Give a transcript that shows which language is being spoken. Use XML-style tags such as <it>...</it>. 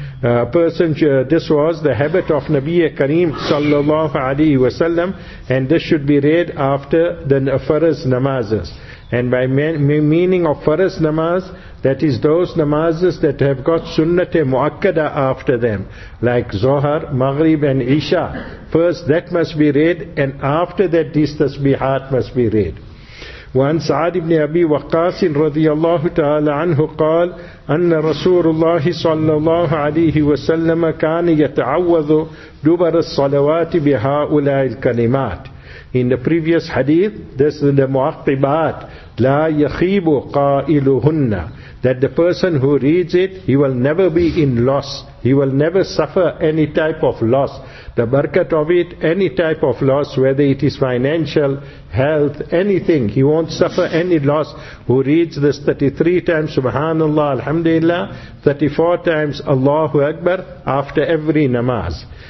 <en>This was the habit of Nabiya Kareem sallallahu alayhi wa sallam, and this should be read after the faraz namazes. And by meaning of faraz namaz, that is those namazes that have got sunnat muakkada after them, like Zohar, Maghrib and Isha. First that must be read, and after that this tasbihat must be read.</en> <ar>وعن سعد بن أبي وقاص رضي الله تعالى عنه قال أن رسول الله صلى الله عليه وسلم كان يتعوذ دبر الصلوات بهؤلاء الكلمات.</ar> <en>In the previous hadith, this is the</en> <ar>مُعَقِّبَات لا يَخِيبُ قَائِلُهُنَّ,</ar> <en>that the person who reads it, he will never be in loss. He will never suffer any type of loss. The barakat of it, any type of loss, whether it is financial, health, anything, he won't suffer any loss who reads this 33 times Subhanallah Alhamdulillah, 34 times Allahu Akbar after every namaz.</en>